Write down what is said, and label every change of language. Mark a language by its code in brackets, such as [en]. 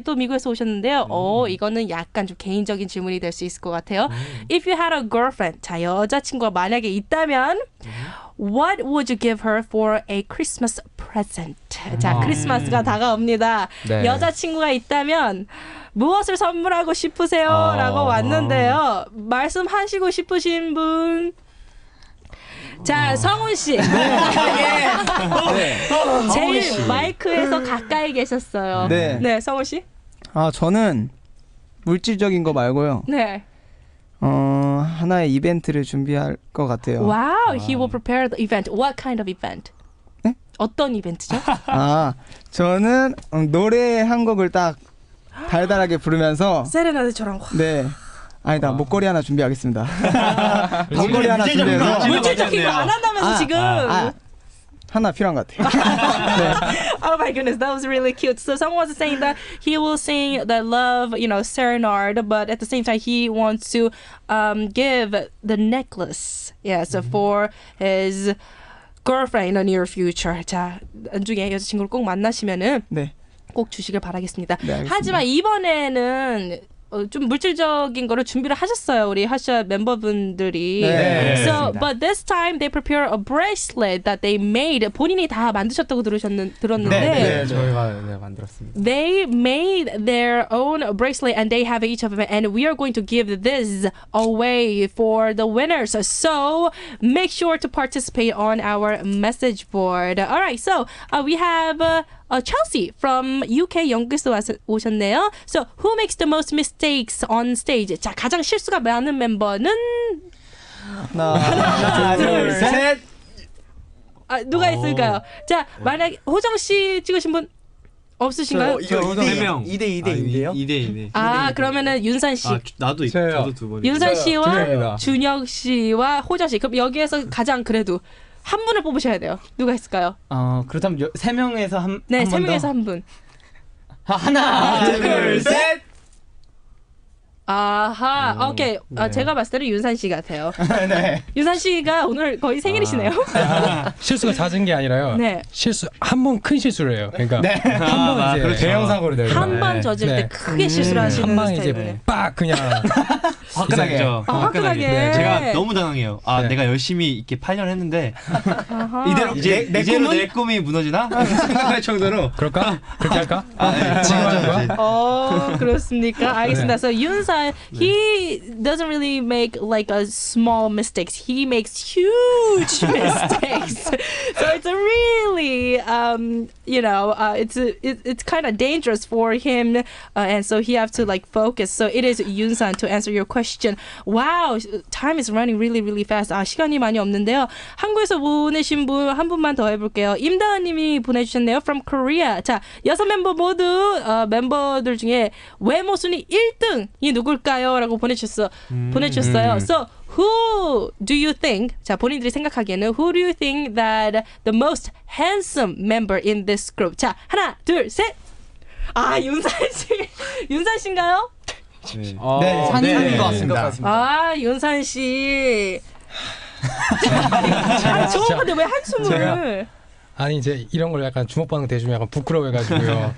[ko] 또 미국에서 오셨는데요. 이거는 약간 좀 개인적인 질문이 될 수 있을 것 같아요. [en] If you had a girlfriend, [ko] 자 여자친구가 만약에 있다면. [en] What would you give her for a Christmas present? [ko] 자, 크리스마스가 다가옵니다. 네. 여자친구가 있다면 무엇을 선물하고 싶으세요? 라고 왔는데요. 말씀하시고 싶으신 분? 자, 성훈 씨. 네. 네. 제일 마이크에서 가까이 계셨어요. 네, 네 성훈 씨. 아, 저는 물질적인 거 말고요. 네. 하나의 이벤트를 준비할 것 같아요. [en] 와우, wow, he will prepare the event. What kind of event? [ko] 네? 어떤 이벤트죠? 아, 저는 노래 한 곡을 딱 달달하게 부르면서 세레나데처럼 네. 아니다, 와. 목걸이 하나 준비하겠습니다. 목걸이 하나 준비해서 물질적인 거 안 한다면서 지금 하나 필요한 것 같아요. [en] 네. Oh my goodness, that was really cute. So someone was saying that he will sing the love, you know, serenade, but at the same time, he wants to give the necklace, yeah, so for his girlfriend in the near future. [ko] 자, 나중에 여자친구를 꼭 만나시면은 네. 꼭 주시길 바라겠습니다. 네, 하지만 이번에는 좀 물질적인 거를 준비를 하셨어요. 우리 핫샷 멤버분들이. 네. 네. [en] So, but this time they prepare a bracelet that they made. [ko] 본인이 다 만드셨다고 들었는데. 네, 네. 네. 저희가 네, 만들었습니다. [en] They made their own bracelet and they have each of them and we are going to give this away for the winners. So, make sure to participate on our message board. All right. So, we have Chelsea from UK [ko] 연구소 오셨네요. [en] So, who makes the most mistakes on stage? [ko] 자, 가장 실수가 많은 멤버는 하나, 둘, 셋. 아, 누가 있을까요? 자, 만약 호정 씨 찍으신 분 없으신가요? 저 호정 3명. 2대 2대 2대요? 2대 2대. 아, 그러면은 윤산 씨. 아, 나도 있고 저도 두 번. 윤산 씨와 준혁 씨와 호정 씨. 그럼 여기에서 가장 그래도 한 분을 뽑으셔야 돼요. 누가 있을까요? 그렇다면 세 명에서 한 분. 네, 세 명에서 한 분. 하나, 둘, 셋. 아하, 오, 오케이. 네. 아, 제가 봤을 때는 윤산 씨 같아요. 네. 윤산 씨가 오늘 거의 생일이시네요. 아, 실수가 잦은 게 아니라요. 네. 실수 한 번 큰 실수를 해요. 그러니까 네. 한 번 아, 이제 그렇죠. 대형 사고를 내고 한 번 네. 젖을 네. 때 크게 실수를 하시는 한 스타일이에요. 이제 빡 그냥 화끈하게. 아, 화끈하게. 네. 제가 너무 당황해요. 아 네. 내가 열심히 이렇게 8년 했는데 이대로 이제 내 꿈이 무너지나 생각할 정도로. 그럴까? 그렇게 할까? 아, 네. 지금 하는 거야? 어 그렇습니까? 알겠습니다. 그래서 윤 [en] he doesn't really make like a small mistakes. He makes huge mistakes. So it's a really, you know, it's kind of dangerous for him. And so he have to like focus. So it is Yoon-san to answer your question. Wow, time is running really, really fast. [ko] 아, 시간이 많이 없는데요. 한국에서 보내신 분 한 분만 더 해볼게요. 임다은 님이 보내주셨네요. [en] From Korea. [ko] 자, 여섯 멤버 모두 멤버들 중에 외모 순위 1등이 누굴까요?라고 보내주셨어요. [en] So who do you think? [ko] 자 본인들이 생각하기에는 [en] who do you think that the most handsome member in this group? [ko] 자 하나 둘 셋. 아 윤산 씨 윤산 씨인가요? 네, 네 산인 네. 것 같습니다. 아 윤산 씨. 아니, 좋은 건데 왜 한숨을? 아니 이제 이런 걸 약간 주목받는 거 대주면 약간 부끄러워해가지고요.